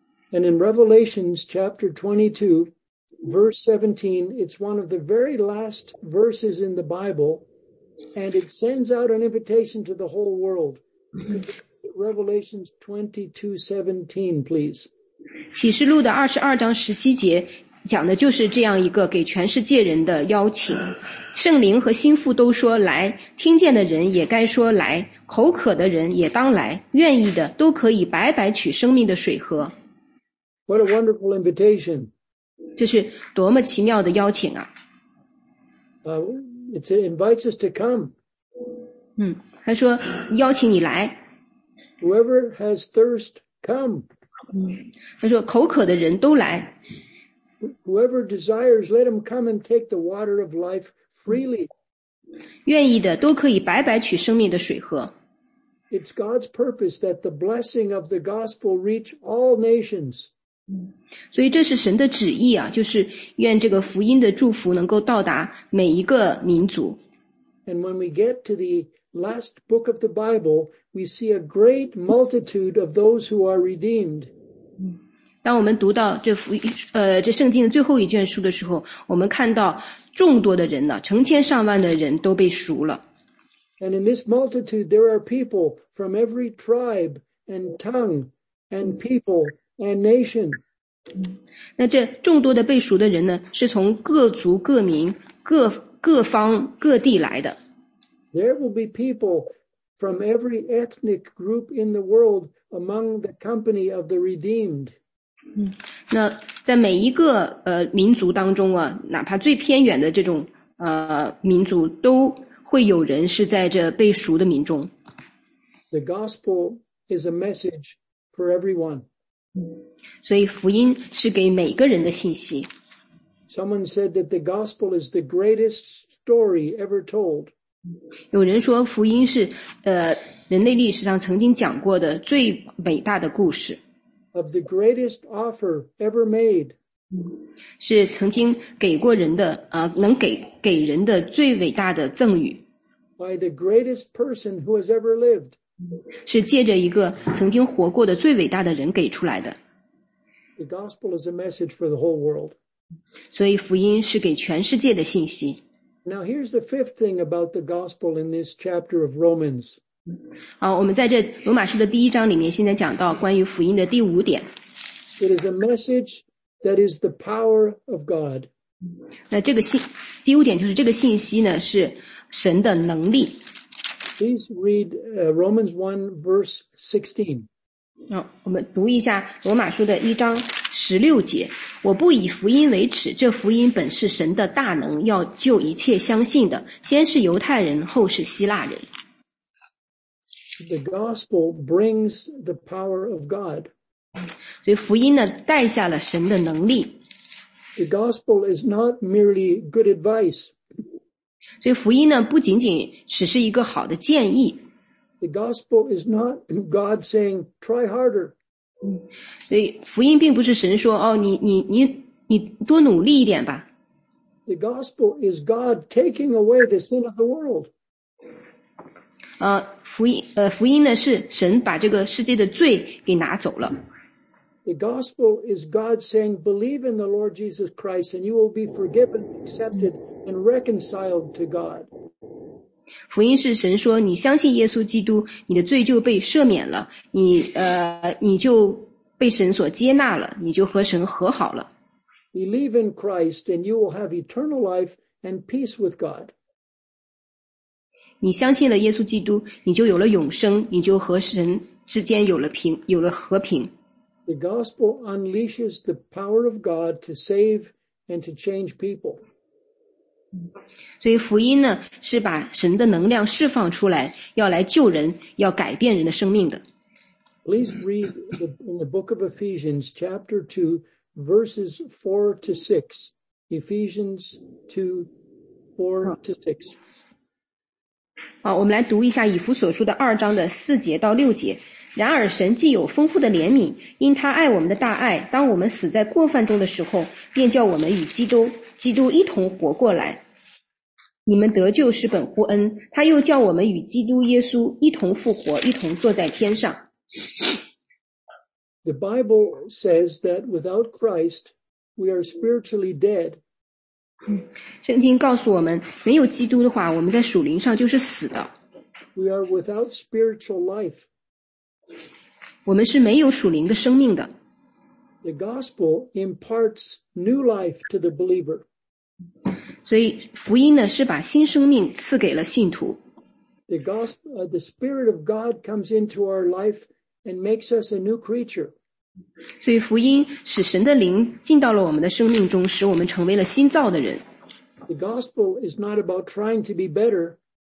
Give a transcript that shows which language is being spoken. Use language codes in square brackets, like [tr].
[en] And in Revelations chapter 22, verse 17, it's one of the very last verses in the Bible. And it sends out an invitation to the whole world. Revelations 22:17, please. [zh] 启示录的22章17节讲的就是这样一个给全世界人的邀请。圣灵和心腹都说来，听见的人也该说来，口渴的人也当来，愿意的都可以白白取生命的水喝。 [en] What a wonderful invitation. [zh] 这是多么奇妙的邀请啊。 [en] It invites us to come. [zh] 他说邀请你来。 [en] Whoever has thirst, come. [zh] 他说口渴的人都来。 [en] Whoever desires, let him come and take the water of life freely. [zh] 愿意的都可以白白取生命的水喝。 [en] It's God's purpose that the blessing of the gospel reach all nations. [zh] 所以这是神的旨意啊，就是愿这个福音的祝福能够到达每一个民族。 [en] And when we get to the last book of the Bible, we see a great multitude of those who are redeemed. [zh] 当我们读到这福音，这圣经的最后一卷书的时候，我们看到众多的人呢，成千上万的人都被赎了。 [en] And in this multitude, there are people from every tribe and tongue and people. And nation. [zh] 那这众多的被赎的人呢，是从各族各民各方各地来的。 [en] There will be people from every ethnic group in the world among the company of the redeemed. [zh] 那在每一个民族当中啊，哪怕最偏远的这种民族，都会有人是在这被赎的民众。 [en] The gospel is a message for everyone. [zh] 所以福音是给每个人的信息。 [en] Someone said that the gospel is the greatest story ever told. [zh] 有人说福音是人类历史上曾经讲过的最伟大的故事。 [en] Of the greatest offer ever made. [zh] 是曾经给过人的能给人的最伟大的赠与。 [en] By the greatest person who has ever lived. [zh] 是借着一个曾经活过的最伟大的人给出来的。 [en] The gospel is a message for the whole world. [zh] 所以福音是给全世界的信息。 [en] Now here's the fifth thing about the gospel in this chapter of Romans. [zh] 好，我们在这罗马书的第一章里面现在讲到关于福音的第五点。 [en] It is a message that is the power of God. [zh] 那这个信第五点就是这个信息呢是神的能力。 [en] Please read Romans 1 verse 16. [zh] 好，我们读一下罗马书的一章十六节，我不以福音为耻，这福音本是神的大能，要救一切相信的，先是犹太人，后是希腊人。 [en] The gospel brings the power of God. [zh] 所以福音呢，带下了神的能力。 [en] The gospel is not merely good advice. [zh] 所以福音呢，不仅仅只是一个好的建议。 [en] The gospel is not God saying, try harder. [zh] 所以福音并不是神说，哦，你多努力一点吧。 [en] The gospel is God taking away the sin of the world. [zh] 福音呢是神把这个世界的罪给拿走了。 [en] The gospel is God saying, believe in the Lord Jesus Christ and you will be forgiven, accepted and reconciled to God. [zh] 福音是神说你相信耶稣基督，你的罪就被赦免了，你就被神所接纳了，你就和神和好了。 [en] Believe in Christ and you will have eternal life and peace with God. [zh] 你相信了耶稣基督，你就有了永生，你就和神之间有了和平。 [en] The gospel unleashes the power of God to save and to change people. [zh] 所以福音呢，是把神的能量释放出来，要来救人，要改变人的生命的。 [en] Please read in the book of Ephesians, chapter 2, verses 4 to 6. Ephesians 2, 4 to 6. [zh] 好，我们来读一下以弗所书的二章的四节到六节。然而神既有丰富的怜悯，因他爱我们的大爱，当我们死在过犯中的时候，便叫我们与基督一同活过来。你们得救是本乎恩，他又叫我们与基督耶稣一同复活，一同坐在天上。 [en] The Bible says that without Christ, we are spiritually dead. [zh] 圣经告诉我们，没有基督的话，我们在属灵上就是死的。 [en] We are without spiritual life. [zh] 我们是没有属灵的生命的。 [en] The gospel imparts new life to the believer. [zh] 所以福音呢，是把新生命赐给了信徒。 [en] The gospel, the Spirit of God comes into our life and makes us a new creature. [zh] 所以福音使神的灵进到了我们的生命中，使我们成为了新造的人。 [en] The gospel is not about trying to be better.